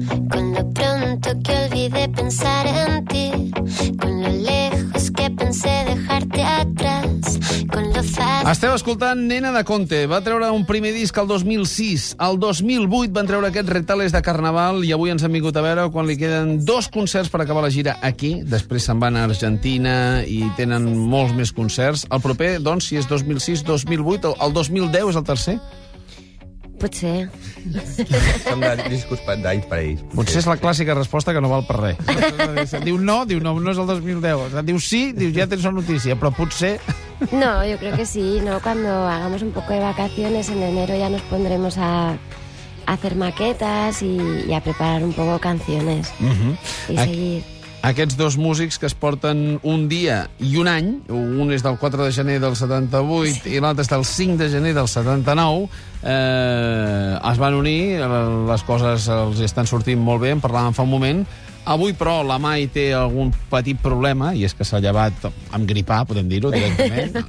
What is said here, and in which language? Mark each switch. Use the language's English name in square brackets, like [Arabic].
[Spanish] Cuando pronto que olvidé pensar en ti, con lo lejos que pensé dejarte atrás. [Catalan] Esteu escoltant Nena de Conte. Va treure un primer disc el 2006. El 2008 van treure aquests Retales de Carnaval i avui ens han vingut a veure quan li queden dos concerts per acabar la gira aquí. Després se'n van a Argentina i tenen molts més concerts. El proper, doncs, si és 2006-2008, el 2010 és el tercer? Potser. Són discos d'anys per ells. Potser és la clàssica resposta que no val per res. Diu no, no és el 2010. Diu sí, diu ja tens la notícia, però potser... [Spanish] No, yo creo que sí, ¿no? Cuando hagamos un poco de vacaciones en enero ya nos pondremos a hacer maquetas y a preparar un poco canciones y seguir. [Catalan] Aquests dos músics que es porten un dia i un any, un és del 4 de gener del 78 i l'altre és del 5 de gener del 79, es van unir, les coses els estan sortint molt bé, en parlàvem fa un moment. Avui, però, la Mai té algun petit problema, i és que s'ha llevat amb gripar, podem dir-ho directament.